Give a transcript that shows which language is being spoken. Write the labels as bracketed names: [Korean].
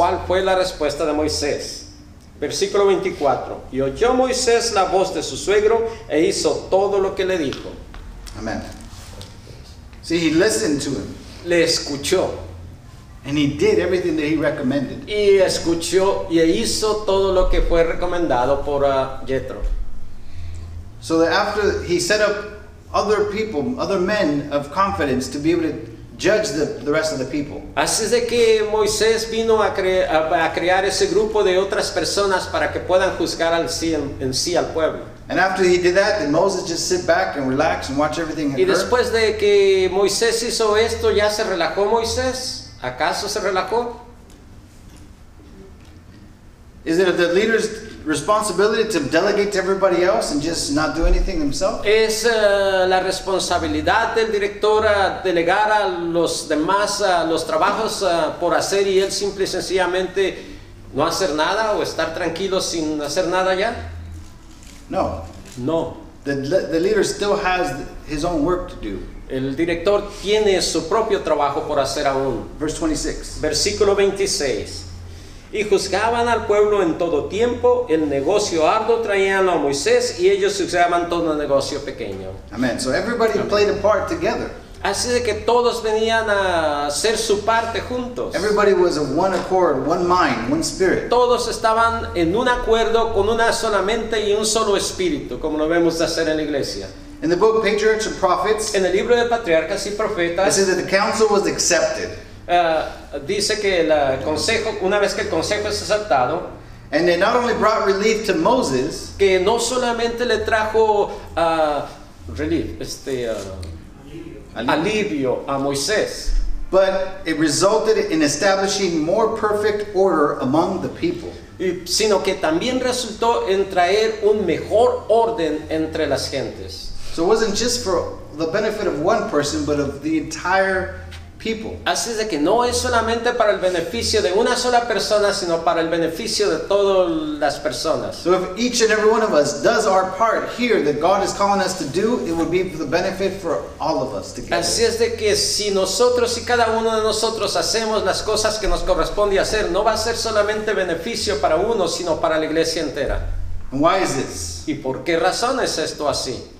[Spanish] ¿Cuál fue la respuesta de Moisés? Versículo 24. Y oyó Moisés la voz de su suegro e hizo todo lo que le dijo. [English] Amen. See, he listened to him. [Spanish] Le escuchó. [English] And he did everything that he recommended. [Spanish] Y escuchó y hizo todo lo que fue recomendado por Jethro. [English] So that after he set up other people, other men of confidence to be able to judge the rest of the people. [Spanish] Así de que Moisés vino a crear ese grupo de otras personas para que puedan juzgar en sí al pueblo. [English] And after he did that, then Moses just sit back and relax and watch everything occur. [Spanish] Y después de que Moisés hizo esto, ¿ya se relajó Moisés? ¿Acaso se relajó? [English] Is it the leader's responsibility to delegate to everybody else and just not do anything himself? [Spanish] ¿Es la responsabilidad del director delegar a los demás los trabajos por hacer y él simple y sencillamente no hacer nada o estar tranquilo sin hacer nada ya? [English] No. [Spanish] No. [English] The leader still has his own work to do. [Spanish] El director tiene su propio trabajo por hacer aún. [English] Verse 26. [Spanish] Versículo 26. Y juzgaban al pueblo en todo tiempo, el negocio arduo traían a Moisés y ellos juzgaban todo el negocio pequeño. Amen. [English] So everybody played a part together. [Spanish] Así de que todos venían a hacer su parte juntos. [English] Everybody was of one accord, one mind, one spirit. [Spanish] Todos estaban en un acuerdo con una sola mente y un solo espíritu, como lo vemos de hacer en la iglesia. [English] In the book Patriarchs and Prophets, [Spanish] en el libro de Patriarcas y Profetas, [English] it says that the council was accepted. [Spanish] Dice que el consejo, una vez que el consejo es aceptado, [English] and they not only brought relief to Moses, [Spanish] que no solamente le trajo relief, alivio a Moisés, [English] but it resulted in establishing more perfect order among the people, [Spanish] sino que también resultó en traer un mejor orden entre las gentes. [English] So it wasn't just for the benefit of one person, but of the entire people. [Spanish] Así es de que no es solamente para el beneficio de una sola persona, sino para el beneficio de todas las personas. [English] So if each and every one of us does our part here that God is calling us to do, it will be for the benefit for all of us together. [Spanish] Así es de que si nosotros y cada uno de nosotros hacemos las cosas que nos corresponde hacer, no va a ser solamente beneficio para uno, sino para la iglesia entera. [English] And why is this? [Spanish] ¿Y por qué razón es esto así?